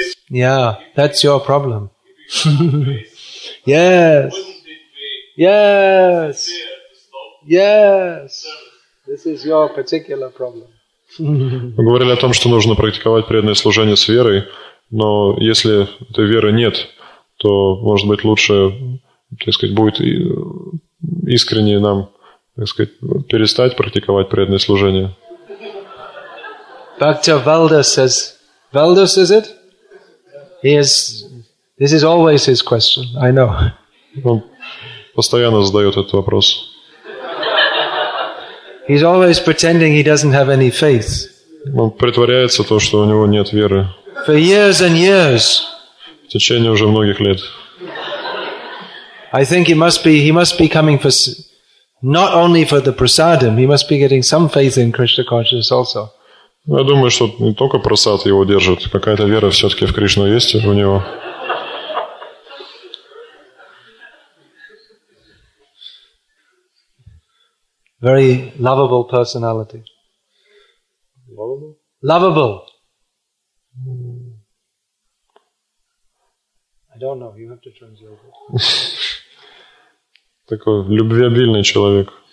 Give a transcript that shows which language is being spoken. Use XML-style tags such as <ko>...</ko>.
<en>Yeah, that's your problem. Yes. Yes. Yes. This is your particular problem.</en> <ru>Мы говорили о том, что нужно практиковать преданное служение с верой, но если этой веры нет, то, может быть, лучше, так сказать, будет искренне нам, так сказать, перестать практиковать преданное служение.</ru> <en>Bhakti Valda says, Valda says it? Yes, this is always his question, I know.</en> <ru>Он постоянно задает этот вопрос.</ru> <en>He's always pretending he doesn't have any faith.</en> <ru>Он притворяется то, что у него нет веры.</ru> <en>For years and years.</en> <ru>В течение уже многих лет.</ru> <en>I think he must be coming for not only for the prasadam, he must be getting some faith in Krishna consciousness also.</en> <ru>Я думаю, что не только прасад его держит, какая-то вера все-таки в Кришну есть у него.</ru> <en>Very lovable personality. Lovable? I don't know, you have to translate it.</en> <ru>Такой любвеобильный человек.</ru>